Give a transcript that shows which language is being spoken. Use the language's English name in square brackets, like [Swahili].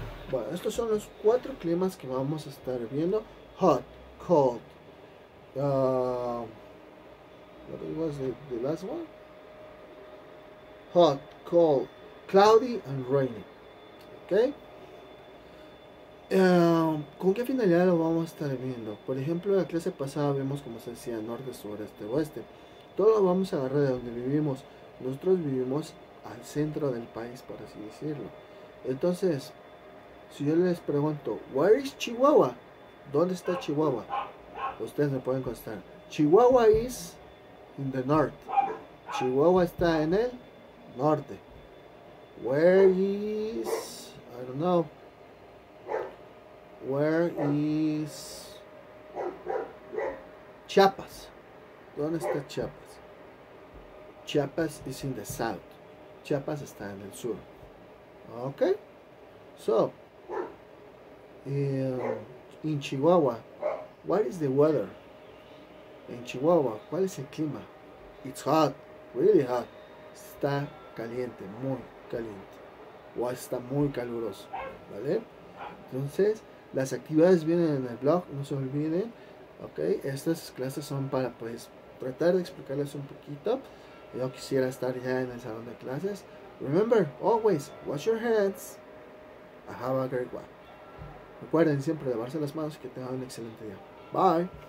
[Spanish] Bueno, estos son los cuatro climas que vamos a estar viendo. [English] Hot, cold, what was the last one? Hot, cold, cloudy and rainy. Ok. [Spanish] ¿Con qué finalidad lo vamos a estar viendo? Por ejemplo, en la clase pasada vimos como se decía norte, sureste, oeste. Todo lo vamos a agarrar de donde vivimos. Nosotros vivimos al centro del país, por así decirlo. Entonces, si yo les pregunto, [English] where is Chihuahua? [Spanish] ¿Dónde está Chihuahua? Ustedes me pueden contestar, [English] Chihuahua is in the north. [Spanish] Chihuahua está en el norte. [English] Where is, I don't know. Where is Chiapas? [Spanish] ¿Dónde está Chiapas? [English] Chiapas is in the south. [Spanish] Chiapas está en el sur. Ok. [English] So, in Chihuahua, what is the weather? In Chihuahua, [Spanish] ¿cuál es el clima? [English] It's hot, really hot. [Spanish] Está caliente, muy caliente. O está muy caluroso, ¿vale? Entonces, las actividades vienen en el blog, no se olviden, ¿ok? Estas clases son para, pues, tratar de explicarles un poquito. Yo quisiera estar ya en el salón de clases. [English] Remember, always, wash your hands. Have a great one. [Spanish] Recuerden siempre lavarse las manos y que tengan un excelente día. Bye.